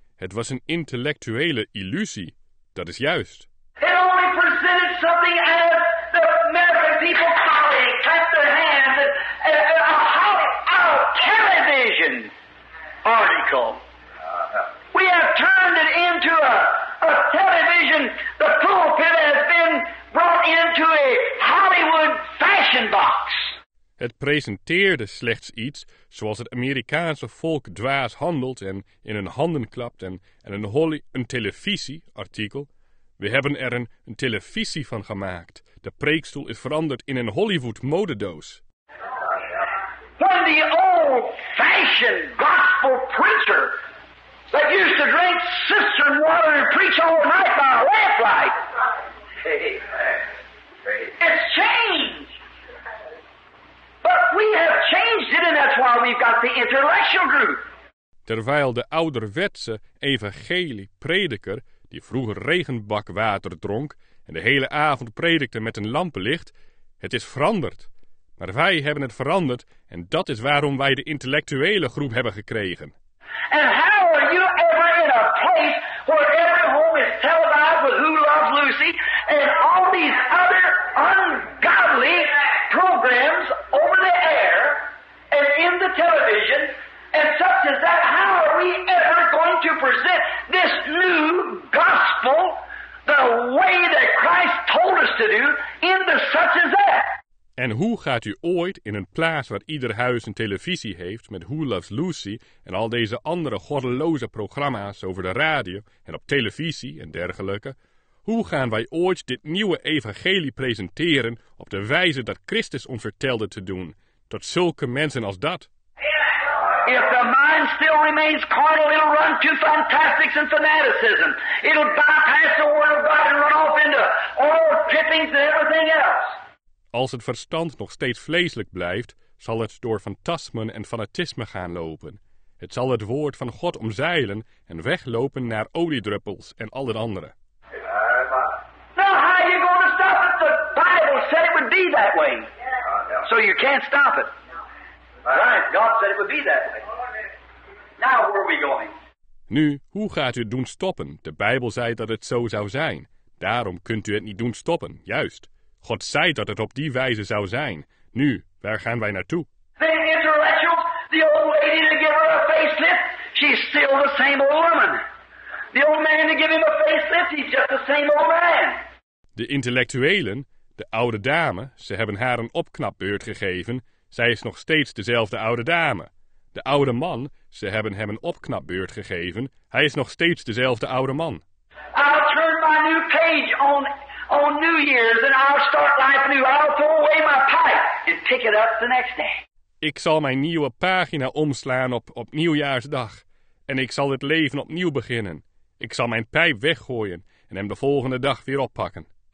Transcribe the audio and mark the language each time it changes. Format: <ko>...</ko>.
<nl>Het was een intellectuele illusie. Dat is juist.</nl> <en>It only presented something as the American people calling, clap their hands, a Hollywood television article. We have turned it into a television. The pulpit has been brought into a Hollywood fashion box.</en> <nl>Het presenteerde slechts iets zoals het Amerikaanse volk dwaas handelt en in hun handen klapt en een televisieartikel. We hebben er een televisie van gemaakt. De preekstoel is veranderd in een Hollywood modedoos.</nl> <en>When the old fashioned gospel preacher that used to drink cistern water and preach all night by a lamplight. It's changed. But we have changed it, and that's why we've got the intellectual group.</en> <nl>Terwijl de ouderwetse evangelie-prediker, die vroeger regenbakwater dronk en de hele avond predikte met een lampenlicht, het is veranderd. Maar wij hebben het veranderd, en dat is waarom wij de intellectuele groep hebben gekregen.</nl> <en>And how are you ever in a place where every home is televised with Who Loves Lucy and all these other ungodly programs over the air and in the television and such as that, how are we ever going to present this new gospel the way that Christ told us to do in the such as that.</en> <nl>En hoe gaat u ooit in een plaats waar ieder huis een televisie heeft met Who Loves Lucy en al deze andere goddeloze programma's over de radio en op televisie en dergelijke, hoe gaan wij ooit dit nieuwe evangelie presenteren op de wijze dat Christus ons vertelde te doen, tot zulke mensen als dat?</nl> <en>If the mind still remains carnal, it'll run to fantastics and fanaticism. It'll bypass the word of God and run off into all trippings and everything else.</en> <nl>Als het verstand nog steeds vleeselijk blijft, zal het door fantasmen en fanatisme gaan lopen. Het zal het woord van God omzeilen en weglopen naar oliedruppels en al het andere.</nl> <en>Now how are you going to stop it? The Bible said it would be that way. So you can't stop it. Right, God said it would be that way. Now where are we going?</en> <nl>Nu, hoe gaat u het doen stoppen? De Bijbel zei dat het zo zou zijn. Daarom kunt u het niet doen stoppen, juist. God zei dat het op die wijze zou zijn. Nu, waar gaan wij naartoe?</nl> <en>The intellectuals, the old lady to give her a facelift, she's still the same old woman. The old man to give him a facelift, he's just the same old man.</en> <nl>De intellectuelen, de oude dame, ze hebben haar een opknapbeurt gegeven. Zij is nog steeds dezelfde oude dame. De oude man, ze hebben hem een opknapbeurt gegeven. Hij is nog steeds dezelfde oude man.</nl> <en>I'll turn my new page on. On New Year's, and I'll start life new. I'll throw away my pipe and pick it up the next day.</en> <nl>Ik zal mijn nieuwe pagina omslaan op Nieuwjaarsdag. En ik zal het leven opnieuw beginnen. Ik zal mijn pijp weggooien en hem de volgende dag weer oppakken.</nl>